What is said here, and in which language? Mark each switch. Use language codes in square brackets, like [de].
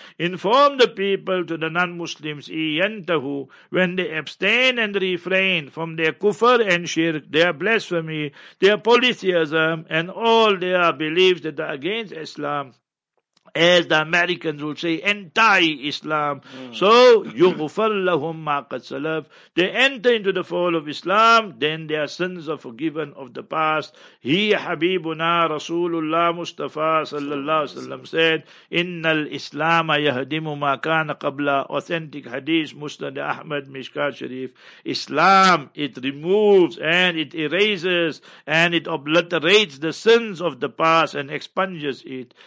[en] Inform the people to the non-Muslims, [ar] إِيَنْتَهُ, [en] when they abstain and refrain from their kufr and shirk, their blasphemy, their polytheism, and all their beliefs that are against Islam, as the Americans will say, anti-Islam. So, [ar] يُغْفَرْ لَهُمْ مَا قَدْ سَلَفْ. [en] They enter into the fall of Islam, then their sins are forgiven of the past. He, Habibuna, Rasulullah Mustafa, sallallahu alaihi wasallam, said, [ar] إِنَّ الْإِسْلَامَ يَهْدِمُ مَا كَانَ قَبْلَ. [en] Authentic hadith, Musnad Ahmad, Mishkat Sharif. Islam, it removes and it erases and it obliterates the sins of the past and expunges it.